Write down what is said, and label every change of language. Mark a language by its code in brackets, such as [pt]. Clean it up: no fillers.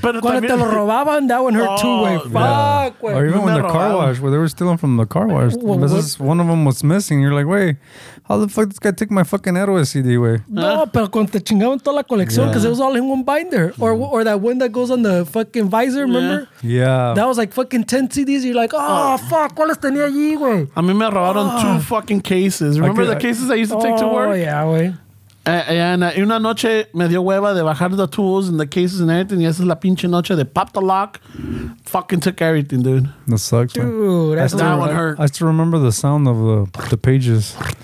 [en] But [es] cuando te lo robaban, [en] that one hurt too, way. Fuck, way. Or even when the car wash, where they were stealing from the car wash. One of them was missing. You're like, wait, how the fuck this guy took my fucking Héroe CD, way? [es] No, pero cuando te chingaban toda la colección, [en] because it was all in one binder. Or that one that goes on the fucking visor, remember? Yeah. That was like fucking 10 CDs. You're like, oh, fuck, [es] ¿cuáles tenía allí, güey? A mí me robaron [en] two fucking cases. Remember the cases I used to take to work? Oh, yeah, güey. [es] And una noche me dio hueva de bajar [en] the tools and the cases and everything. [es] Y esa es la pinche noche de [en] pop the lock. Fucking took everything, dude. That sucks, man. Dude, that one hurt. I still remember the sound of the pages.